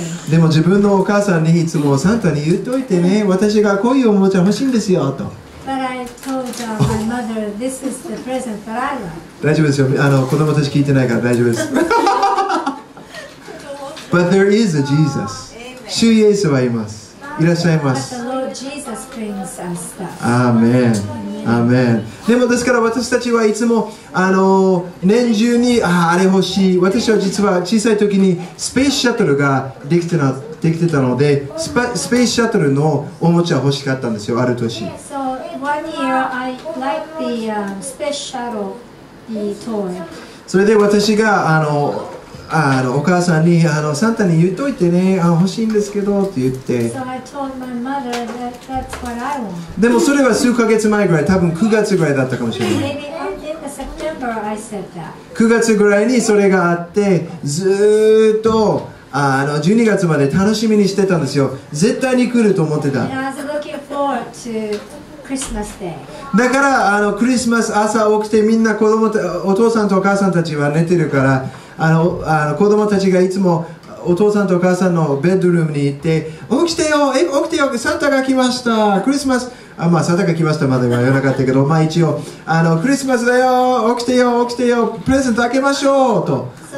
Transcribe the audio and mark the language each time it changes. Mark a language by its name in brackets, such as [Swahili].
[Japanese] でも自分のお母さんにいつもサンタに言っといてね、私がこういうおもちゃ欲しいんですよと。 [English] But I told my mother this is the present that I like. [Japanese] 大丈夫ですよ。子供たち聞いてないから大丈夫です。 [English] But there is a Jesus. [Japanese] 主イエスはいます。いらっしゃいます。 [English] But the Lord Jesus brings us stuff. Amen. Amen. [Japanese] でもですから私たちはいつも年中にあれ欲しい。私は実は小さい時にスペースシャトルができてたのでスペースシャトルのおもちゃ欲しかったんですよ、ある年。 [English] So, one year I like the space shuttle, the toy. [Japanese] それで私がお母さんにサンタに言っといてね、欲しいんですけどって言って、 [English] so、I told my mother that that's what I want. [Japanese] でもそれは数ヶ月前ぐらい、多分9月ぐらいだったかもしれない。 [English] Maybe in the September I said that. [Japanese] 9月ぐらいにそれがあってずっと12月まで楽しみにしてたんですよ。絶対に来ると思ってた。 [English] And I was looking forward to Christmas Day. [Japanese] だからクリスマス朝起きてみんな子供たお父さんとお母さんたちは寝てるから子供たちがいつもお父さんとお母さんのベッドルームに行って起きてよ、起きてよ、サンタが来ました、クリスマス、サンタが来ましたまでは言わなかったけど、一応クリスマスだよ、起きてよ、起きてよ、プレゼント開けましょうと。